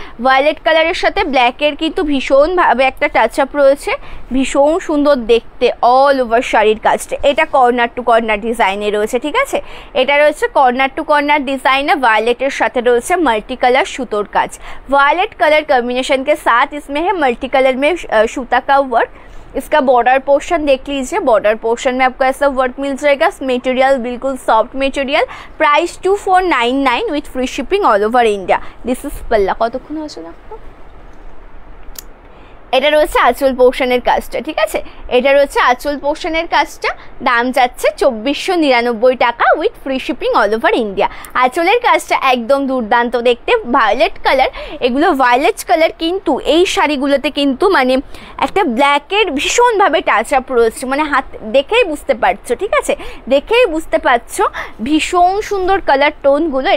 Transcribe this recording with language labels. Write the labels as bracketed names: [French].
[Bangla] Violet কালারের সাথে ব্ল্যাকের কিন্তু ভীষণভাবে একটা টাচ আপ রয়েছে, ভীষণ সুন্দর দেখতে অল ওভার শাড়ির কাজটা। এটা কর্নার টু কর্নার ডিজাইনে রয়েছে, ঠিক আছে? এটা রয়েছে কর্নার টু কর্নার ডিজাইনে, ভায়োলেটের সাথে রয়েছে মাল্টি কালার সুতোর কাজ। [Hindi] ভায়োলেট কালার কম্বিনেশনকে সাথ ইসমে হে মাল্টি কালার মে সুতা কা ওয়ার্ক। इसका बॉर्डर पोर्शन देख लीजिए, बॉर्डर पोर्शन में आपको ऐसा वर्क मिल जाएगा, मटेरियल बिल्कुल soft material, price 2499 with free shipping all over India. [English] this is [Bangla] पल्ला कत এটা রয়েছে আঁচল পোর্শনের কাজটা, ঠিক আছে। এটা রয়েছে আঁচল পোর্শনের কাজটা, দাম যাচ্ছে 2499 টাকা with free shipping all over India. আঁচলের কাজটা একদম দুর্দান্ত দেখতে, ভায়োলেট কালার, এগুলো ভায়োলেট কালার, কিন্তু এই শাড়িগুলোতে কিন্তু মানে একটা ব্ল্যাকের ভীষণভাবে টাচ আপ রয়েছে, মানে হাত দেখেই বুঝতে পারছো, ঠিক আছে, দেখেই বুঝতে পারছো ভীষণ সুন্দর কালার টোনগুলো।